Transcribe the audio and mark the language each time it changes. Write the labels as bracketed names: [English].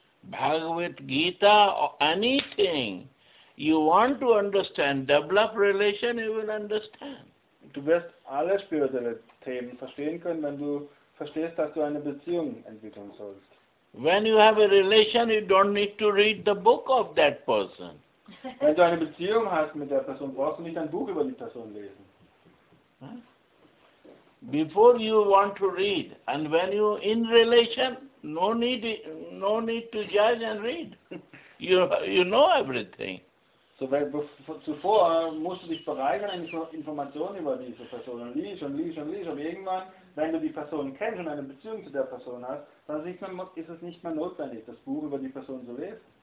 [English] Bhagavad Gita or anything you want to understand, develop relation, you will understand. [German] Du wirst alle spirituelle Themen verstehen können, wenn du verstehst, dass du eine Beziehung entwickeln sollst. [English] When you have a relation, you don't need to read the book of that person. [German] Wenn du eine Beziehung hast mit der Person, brauchst du nicht ein Buch über die Person lesen. [English] Before you want to read, and when you in relation, no need to judge and read. You know everything. [German] So zuvor musst du dich bereichern in Informationen über diese Person und lies, aber irgendwann, wenn du die Person kennst und eine Beziehung zu der Person hast, dann ist es nicht mehr notwendig, das Buch über die Person zu lesen.